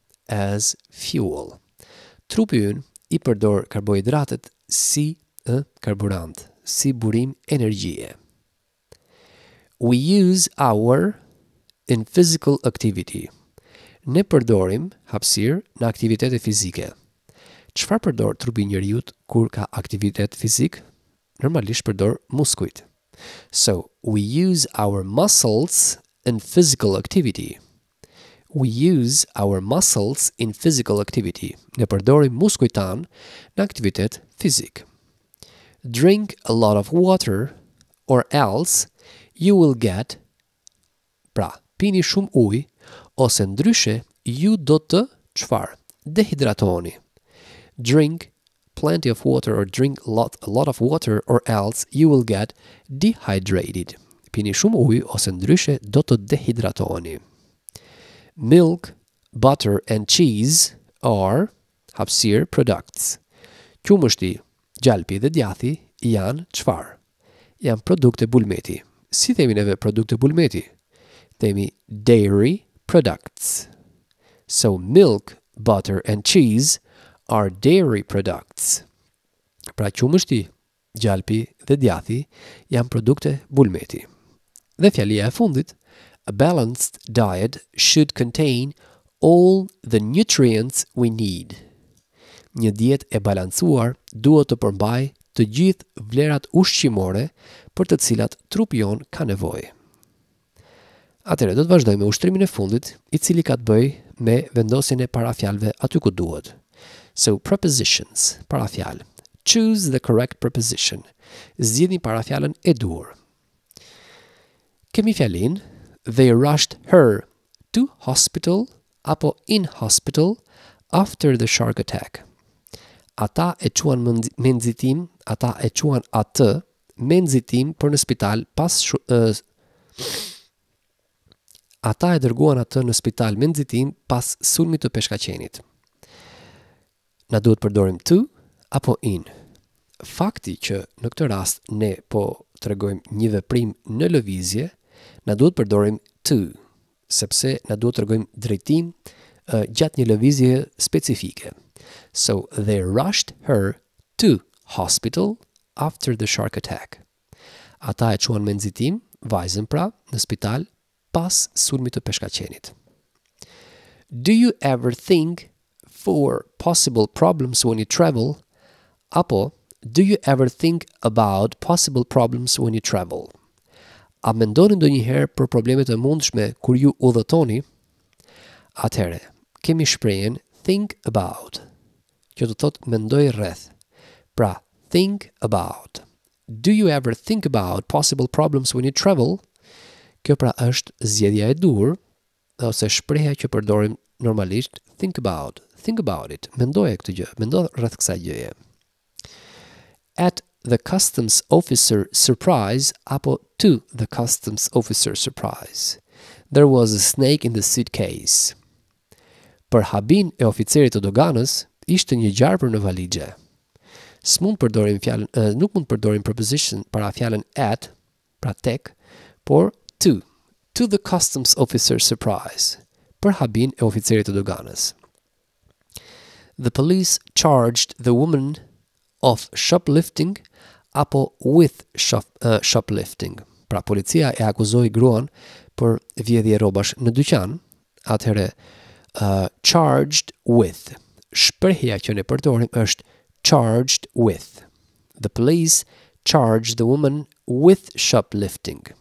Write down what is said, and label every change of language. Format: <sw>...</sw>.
<en>As fuel.</en> <sq>Trupi ynë I përdor karbohidratet si karburant, si burim energjie.</sq> <en>We use our in physical activity.</en> <sq>Ne përdorim hapësir në aktivitete fizike. Çfarë përdor trupi njeriut kur ka aktivitet fizik? Normalisht përdor muskujt.</sq> <en>So, we use our muscles in physical activity. We use our muscles in physical activity.</en> <sq>Ne përdorim muskujt tan në aktivitet fizik.</sq> <en>Drink a lot of water or else you will get</en> <sq>pra, pini shumë ujë ose ndryshe ju do të çfarë? Dehidratoni.</sq> <en>Drink plenty of water or drink a lot of water or else you will get dehydrated.</en> <sq>Pini shumë ujë ose ndryshe do të dehidratoni.</sq> <en>Milk, butter and cheese are hapsir products.</en> <sq>Qumështi, gjalpi dhe djathi janë çfarë? Janë produkte bulmeti. Si themi neve produkte bulmeti? Themi dairy products.</sq> <en>So milk, butter and cheese are dairy products.</en> <sq>Pra qumështi, gjalpi dhe djathi janë produkte bulmeti. Dhe fjalia e fundit,</sq> <en>a balanced diet should contain all the nutrients we need.</en> <sq>Një dietë e balancuar duhet të përmbajë të gjithë vlerat ushqimore për të cilat trupi jon ka nevojë. Atëherë do të vazhdojmë me ushtrimin e fundit, I cili ka të bëjë me vendosjen e parafjalëve aty ku duhet.</sq> <en>So prepositions,</en> <sq>parafjalë.</sq> <en>Choose the correct preposition.</en> <sq>Zgjidhni parafjalën e duhur. Kemi fjalin,</sq> <en>they rushed her to hospital apo in hospital after the shark attack.</en> <sq>Ata e quan me nxitim, ata e quan atë me nxitim për në spital pas ata e dërguan atë në spital me nxitim pas sulmit të peshkaqenit. Na duhet përdorim to apo in. Fakti që në këtë rast ne po tregojmë një veprim në lëvizje, na duhet përdorim to, sepse na duhet tregojmë drejtim gjatë një lëvizje specifike.</sq> <en>So they rushed her to hospital after the shark attack.</en> <sq>Ata e çuan me nxitim vajzën pra në spital pas sulmit të peshkaqenit.</sq> <en>Do you ever think for possible problems when you travel? Apo, do you ever think about possible problems when you travel?</en> <sq>A mendoni ndonjëherë për problemet e mundshme kur ju udhëtoni? Atëherë, kemi shprehjen think about, që do thotë mendoj rreth.</sq> <en>Pra, think about. Do you ever think about possible problems when you travel?</en> <sq>Kjo pra është zgjedhja e dur, ose shpreha që përdorim normalisht, think about.</sq> <en>Think about it.</en> <sq>Mendoje këtë gjë, mendo rreth kësaj gjëje.</sq> <en>At the customs officer surprise, apo to the customs officer surprise, there was a snake in the suitcase.</en> <sq>Për habin e oficerit të doganës, ishte një gjarpër në valigje. Nuk mund përdorim preposition para fjalën at, pra tek, por to.</sq> <en>To the customs officer surprise,</en> <sq>për habin e oficerit të doganës.</sq> <en>The police charged the woman of shoplifting apo with shoplifting.</en> <sq>Pra policia e akuzoi gruan për vjedhje rrobash në dyqan, atëherë charged with. Shprehja që ne përdorim është charged with.</sq> <en>The police charged the woman with shoplifting.</en>